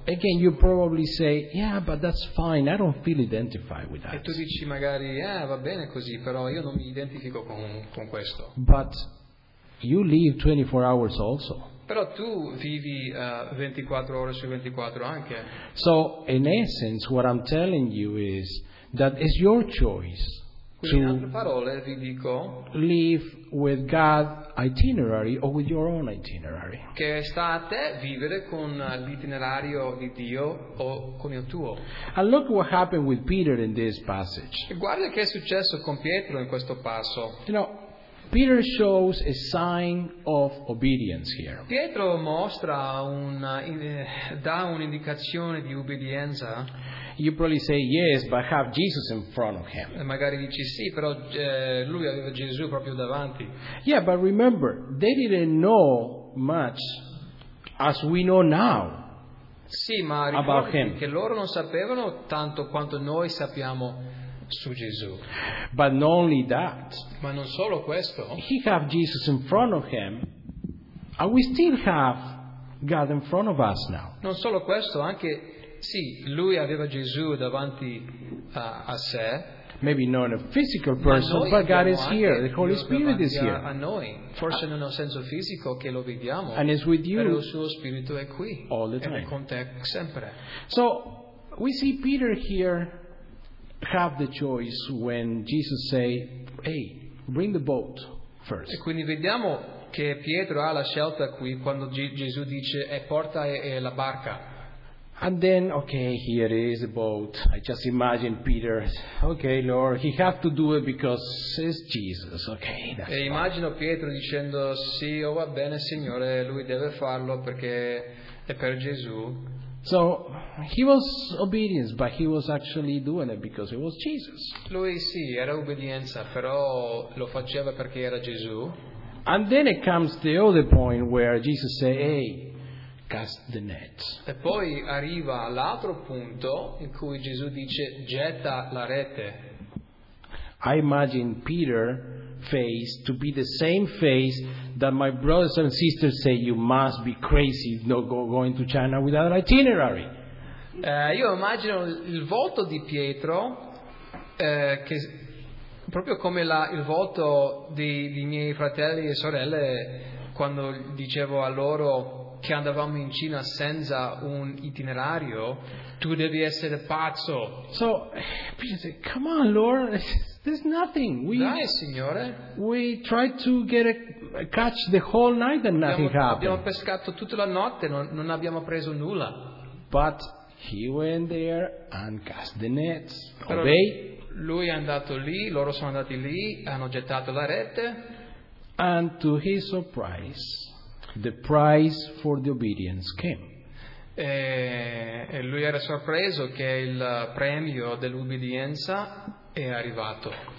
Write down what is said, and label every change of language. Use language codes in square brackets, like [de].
[en] Again, you probably say, yeah, but that's fine, I don't feel identified with that. [it] E tu dici magari, va bene così, però io non mi identifico con questo. [en] But you live 24 hours also. [it] Però tu vivi 24 ore su 24 anche. [en] So, in essence, what I'm telling you is that it's your choice. [it] Quindi, in altre parole, vi dico, [en] live with God's itinerary or with your own itinerary. [it] Che sta a te vivere con l'itinerario di Dio o con il tuo. [en] And look what happened with Peter in this passage. [it] E guarda che è successo con Pietro in questo passo. [en] You know, Peter shows a sign of obedience here. [it] Pietro mostra dà un'indicazione di ubbidienza. [en] You probably say yes, but have Jesus in front of him. [it] Magari dici sì, però lui aveva Gesù proprio davanti. [en] Yeah, but remember, they didn't know much as we know now. [it] Sì, ma ricordi che loro non sapevano tanto quanto noi sappiamo su Gesù. [en] But not only that. [it] Ma non solo questo. [en] He have Jesus in front of him, and we still have God in front of us now. [it] Non solo questo, anche sì, lui aveva Gesù davanti a sé. [en] Maybe not a physical person, but God is here. The Holy Spirit is here. [it] A noi, forse non nel senso fisico che lo vediamo. [en] And is with you. [it] Però il suo spirito è qui. [en] All the time. [it] È con te sempre. [en] So we see Peter here have the choice when Jesus say, "Hey, bring the boat first." [it] E quindi vediamo che Pietro ha la scelta qui quando Gesù dice, "E porta la barca." [en] And then, okay, here is the boat. I just imagine Peter, okay, Lord, he has to do it because it's Jesus, okay. [it] E immagino Pietro dicendo, sì, va bene, Signore, lui deve farlo perché è per Gesù. [en] So, he was obedient, but he was actually doing it because it was Jesus. [it] Lui sì, era obbedienza, però lo faceva perché era Gesù. [en] And then it comes the other point where Jesus said, hey, cast the net. [it] E poi arriva l'altro punto in cui Gesù dice getta la rete. [en] I imagine Peter's face to be the same face that my brothers and sisters say you must be crazy not going to China without an itinerary. [it] Io immagino il volto di Pietro che proprio come il volto di miei fratelli e sorelle quando dicevo a loro che andavamo in Cina senza un itinerario, tu devi essere pazzo. [en] So Peter said, come on, Lord, there's nothing. [it] Dai, Signore. [en] We tried to get a catch the whole night and nothing happened. [it] Abbiamo pescato tutta la notte, non abbiamo preso nulla. [en] But he went there and cast the nets. Obey. [it] Lui è andato lì, loro sono andati lì, hanno gettato la rete. [en] And to his surprise, the price for the obedience came. [it] E lui era sorpreso che il premio dell'ubbidienza è arrivato.